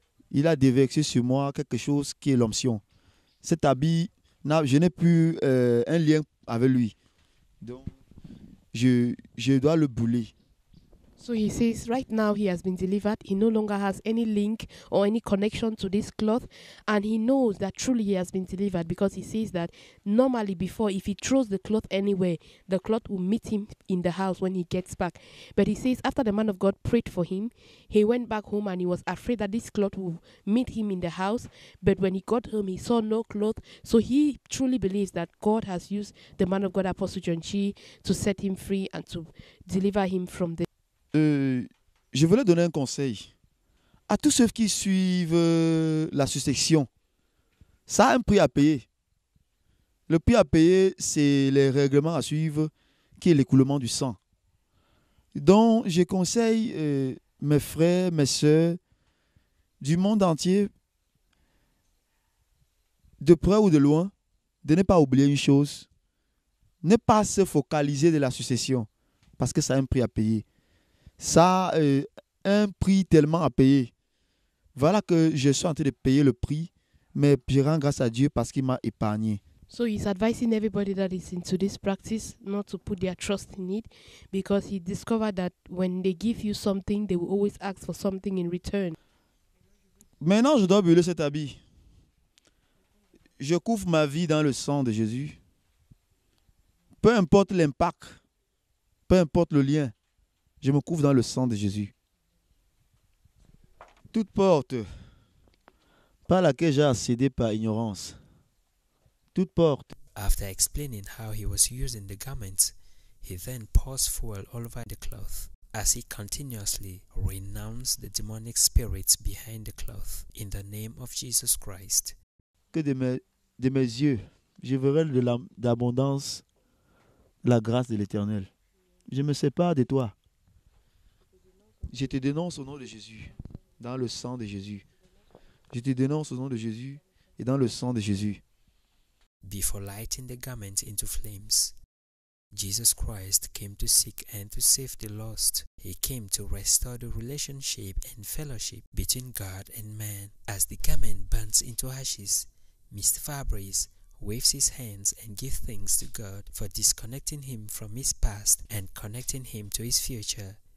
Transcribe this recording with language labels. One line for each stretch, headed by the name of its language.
French: Il a déversé sur moi quelque chose qui est l'onction. Cet habit, je n'ai plus un lien avec lui. Donc je dois le brûler.
English: So he says right now he has been delivered. He no longer has any link or any connection to this cloth. And he knows that truly he has been delivered because he says that normally before, if he throws the cloth anywhere, the cloth will meet him in the house when he gets back. But he says after the man of God prayed for him, he went back home and he was afraid that this cloth will meet him in the house. But when he got home, he saw no cloth. So he truly believes that God has used the man of God, Apostle John Chi, to set him free and to deliver him from the...
French: Je voulais donner un conseil à tous ceux qui suivent la succession. Ça a un prix à payer. Le prix à payer, c'est les règlements à suivre qui est l'écoulement du sang. Donc, je conseille mes frères, mes sœurs, du monde entier, de près ou de loin, de ne pas oublier une chose, ne pas se focaliser de la succession, parce que ça a un prix à payer. Ça a un prix tellement à payer. Voilà que je suis en train de payer le prix, mais je rends grâce à Dieu parce qu'il m'a épargné.
English: So he's advising everybody that is into this practice not to put their trust in it, because he discovered that when they give you something, they will always ask for something in return.
French: Maintenant, je dois brûler cet habit. Je couvre ma vie dans le sang de Jésus. Peu importe l'impact, peu importe le lien, je me couvre dans le sang de Jésus. Toute porte par laquelle j'ai accédé par ignorance, toute porte.
English: After explaining how he was using the garments, he then pours fuel all over the cloth as he continuously renounced the demonic spirits behind the cloth in the name of Jesus Christ.
French: Que de mes yeux, je verrai de l'abondance la grâce de l'Éternel. Je me sépare de toi. Je te dénonce au nom de Jésus, dans le sang de Jésus. Je te dénonce au nom de Jésus et dans le sang de Jésus.
English: Before lighting the garment into flames, Jesus Christ came to seek and to save the lost. He came to restore the relationship and fellowship between God and man. As the garment burns into ashes, Mr. Fabrice waves his hands and gives thanks to God for disconnecting him from his past and connecting him to his future.